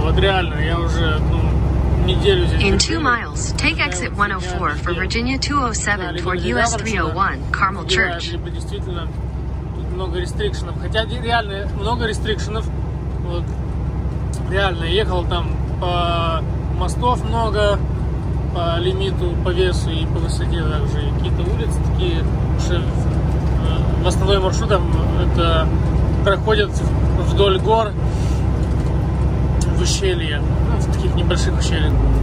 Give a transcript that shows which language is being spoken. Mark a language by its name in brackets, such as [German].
[Russian] Вот реально, я уже, ну, неделю здесь. [English] In 2 miles, take exit 104 for Virginia 207 toward US 301, Carmel Church. [Russian] Либо действительно тут много рестрикшенов. Хотя реально много рестрикшенов. Вот. Реально, ехал там по мостов много, по лимиту, по весу и по высоте также. И какие-то улицы такие, уже в основной маршрут там это проходят вдоль гор, в ущелье, ну, в таких небольших ущельях.